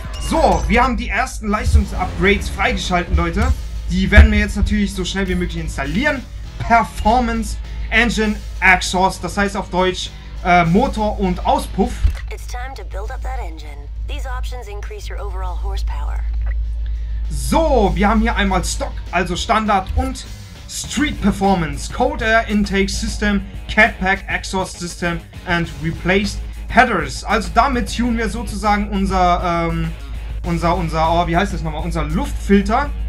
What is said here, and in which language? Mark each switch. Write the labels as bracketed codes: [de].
[de] So, wir haben die ersten Leistungsupgrades freigeschalten, Leute. Die werden wir jetzt natürlich so schnell wie möglich installieren. Performance Engine Exhaust, das heißt auf Deutsch Motor und Auspuff. [en] It's time to build up that engine. These options increase your overall horsepower. [de] So, wir haben hier einmal Stock, also Standard, und Street Performance. [en] Cold Air Intake System, Cat Pack Exhaust System and Replaced Headers. [de] Also damit tunen wir sozusagen unser Luftfilter.